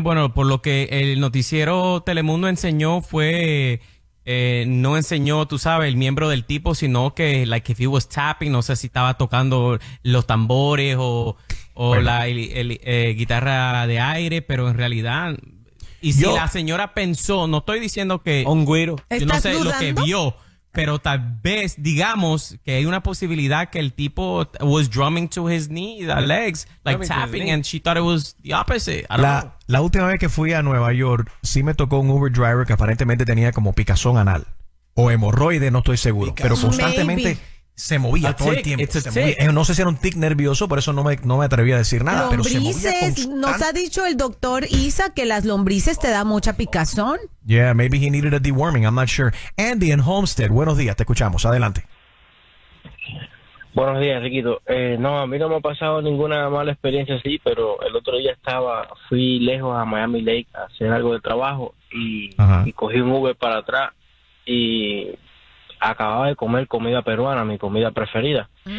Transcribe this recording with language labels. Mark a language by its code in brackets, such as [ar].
[es] Bueno, por lo que el noticiero Telemundo enseñó fue no enseñó, tú sabes, el miembro del tipo, sino que [en] like if he was tapping, [es] no sé si estaba tocando los tambores o la guitarra de aire, pero en realidad. Y si la señora pensó, no estoy diciendo que un güiro. Yo no sé lo que vio. Pero tal vez, digamos, que hay una posibilidad que el tipo [en] was drumming to his knee, the legs, like tapping, and she thought it was the opposite. [es] La última vez que fui a Nueva York, sí me tocó un Uber driver que aparentemente tenía como picazón anal. O hemorroide, no estoy seguro. Pero constantemente se movía todo el tiempo. No sé si era un tic nervioso, por eso no me atreví a decir nada. Lombrices, pero se movía nos ha dicho el doctor Isa que las lombrices te da mucha picazón. [en] Yeah, maybe he needed a deworming, I'm not sure. [es] Andy en Homestead, buenos días, te escuchamos, adelante. Buenos días, Riquito. No, a mí no me ha pasado ninguna mala experiencia así, pero el otro día fui lejos a Miami Lake a hacer algo de trabajo y cogí un Uber para atrás y acababa de comer comida peruana, mi comida preferida.